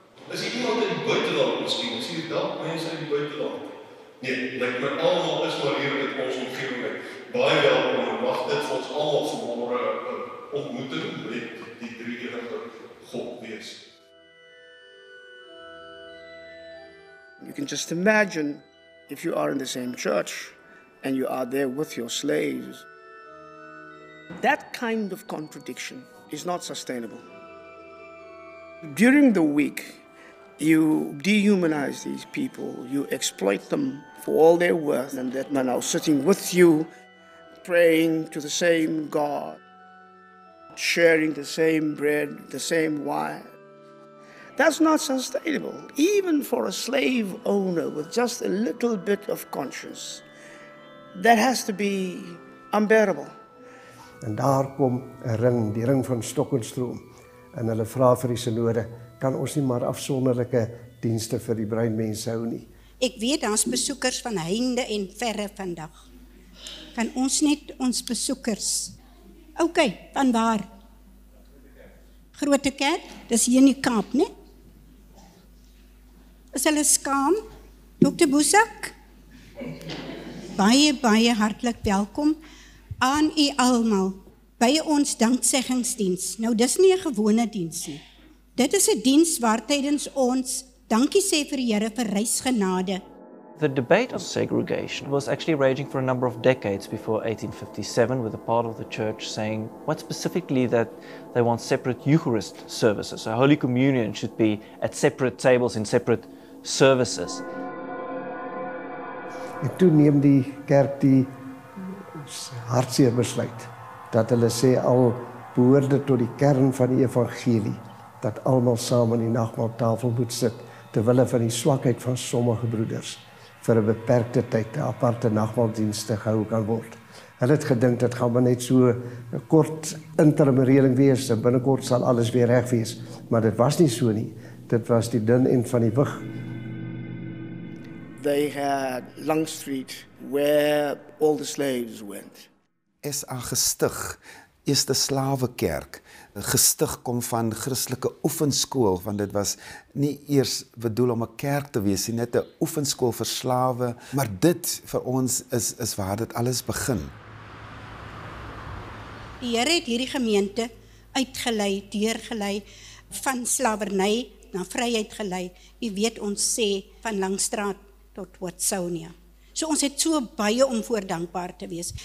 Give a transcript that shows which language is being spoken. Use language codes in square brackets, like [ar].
[af] Is hier iemand in die buiteland miskien? Is hier dalk mense in die buiteland? Nee, lyk my almal is maar hier in ons omgewing. Baie welkom en mag dit vir ons almal vanmôre 'n ontmoeting met die drie-enige God wees. [en] You can just imagine if you are in the same church and you are there with your slaves. That kind of contradiction is not sustainable. During the week, you dehumanize these people, you exploit them for all their worth, and that men are sitting with you, praying to the same God, sharing the same bread, the same wine. That's not sustainable, even for a slave owner with just a little bit of conscience. That has to be unbearable. [af] En daar kom 'n ring, die ring van Stokkenstroom. En hulle vra vir die synode, kan ons nie maar afsonderlike dienste vir die breinmense hou nie. Ek weet daar's besoekers van heinde en verre vandag. Kan ons net ons besoekers. OK, van waar? Groote Kerk, dis hier in die Kaap, né? Is hulle skaam? Dr. Boesak? Baie, baie hartlik welkom aan u almal by ons danksiggingsdiens. Nou, dis nie 'n gewone diens nie. Dit is 'n diens waar tydens ons dankie sê vir die Here vir reisgenade. [en] The debate of segregation was actually raging for a number of decades before 1857, with a part of the church saying quite specifically that they want separate Eucharist services. So Holy Communion should be at separate tables in separate services. [af] En toe neem die kerk die hartseer besluit dat hulle sê al behoorde tot die kern van die evangelie dat almal saam aan die nagmaaltafel moet sit ter wille van die swakheid van sommige broeders vir 'n beperkte tyd 'n aparte nagmaaldienste gehou kan word. Hulle het gedink dit gaan maar net so 'n kort interim reëling wees, binnekort sal alles weer reg wees, maar dit was nie so nie. Dit was die dun end van die wig. [en] They had Long Street where all the slaves went. [af] RCSA gestig, Eerste Slawekerk. Gestig kom van Christelike oefenskool, want dit was nie eers bedoel om 'n kerk te wees nie, net 'n oefenskool vir slawe, maar dit vir ons is waar dit alles begin. Die Here het hierdie gemeente uitgelei, deurgelei van slawerny na vryheid gelei. U weet ons sê van Langstraat tot Watsonia. So ons het so baie om voor dankbaar te wees.